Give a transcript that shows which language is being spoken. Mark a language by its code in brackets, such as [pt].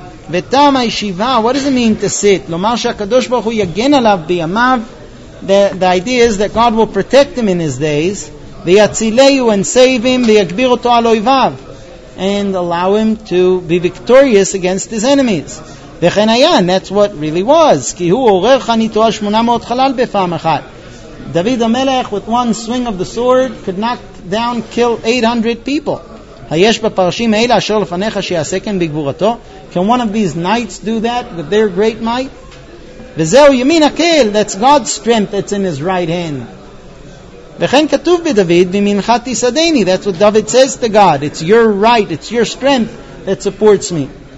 [he] V'tam ha'yishiva, [en] what does it mean to sit? [he] Lomar she'akadosh baruch hu yagen alav b'yamav. [en] The idea is that God will protect him in his days, [he] ויצילהו, [en] and save him, [he] ויגביר אותו על אויביו, [en] and allow him to be victorious against his enemies. [he] וכן היה, [en] and that's what really was. [he] כי הוא עורר חניתו 800 חלל בפעם אחת. [en] דוד המלך, with one swing of the sword, could knock down, kill 800 people. [he] היש בפרשים האלה אשר לפניך שיעשה כן בגבורתו? [en] Can one of these knights do that with their great might? [he] וזהו ימין הקל, [en] that's God's strength that's in his right hand. [he] V'chen katuv b'David b'mincha tisadeni. [en] That's what David says to God. It's your right, it's your strength that supports me.